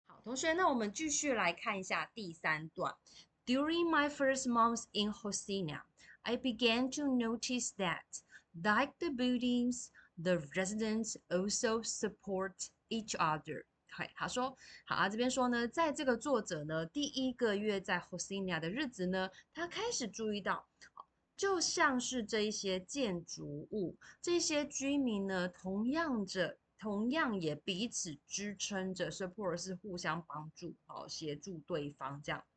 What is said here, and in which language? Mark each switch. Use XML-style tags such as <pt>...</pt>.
<zh>同学，那我们继续来看一下第三段。</zh> <en>During my first month in Hosina, I began to notice that, like the buildings, the residents also support each other.</en> <zh>他说，好啊，这边说呢，在这个作者呢第一个月在 Hosina 的日子呢，他开始注意到，就像是这一些建筑物，这些居民呢，同样也彼此支撑着，support 是互相帮助，好，协助对方这样。</zh>